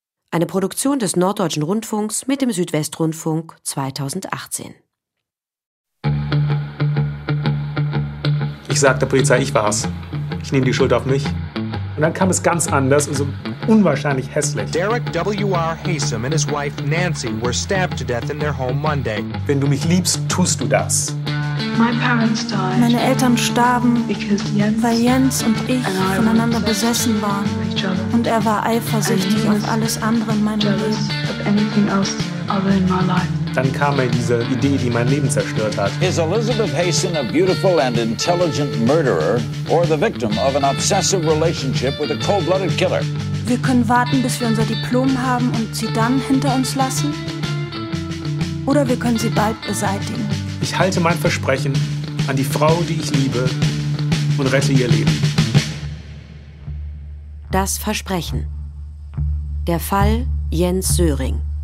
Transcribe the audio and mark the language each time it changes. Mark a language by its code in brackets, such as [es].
[de] Eine Produktion des Norddeutschen Rundfunks mit dem Südwestrundfunk 2018. Ich sag der Polizei, ich war's. Ich nehme die Schuld auf mich. Und dann kam es ganz anders, also unwahrscheinlich hässlich. [en] Derek W.R. Haysom and his wife Nancy were stabbed to death in their home Monday. [de] Wenn du mich liebst, tust du das. [en] My parents died. [de] Meine Eltern starben, weil Jens und ich voneinander besessen waren. Und er war eifersüchtig auf alles andere in meinem Leben. Dann kam mir diese Idee, die mein Leben zerstört hat. [en] Is Elizabeth Haysom a beautiful and intelligent murderer or the victim of an obsessive relationship with a cold-blooded killer? [de] Wir können warten, bis wir unser Diplom haben und sie dann hinter uns lassen. Oder wir können sie bald beseitigen. Ich halte mein Versprechen an die Frau, die ich liebe, und rette ihr Leben. Das Versprechen. Der Fall Jens Söhring.